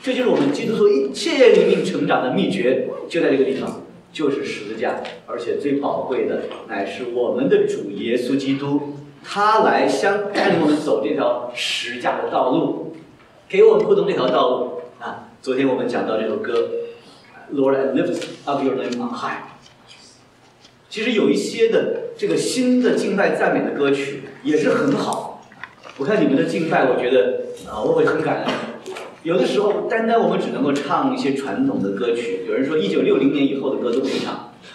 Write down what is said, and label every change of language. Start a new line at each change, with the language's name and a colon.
Chinese: 这就是我们基督徒一切灵命成长的秘诀，就在这个地方，就是十字架。而且最宝贵的，乃是我们的主耶稣基督，他来相带领我们走这条十字架的道路，给我们铺通这条道路啊！昨天我们讲到这首歌。
English: Lord, I lift up your name on high.
Chinese: 其实有一些的这个新的敬拜赞美的歌曲也是很好。我看你们的敬拜，我觉得啊，我会很感恩。有的时候，单单我们只能够唱一些传统的歌曲。有人说，1960年以后的歌都不唱。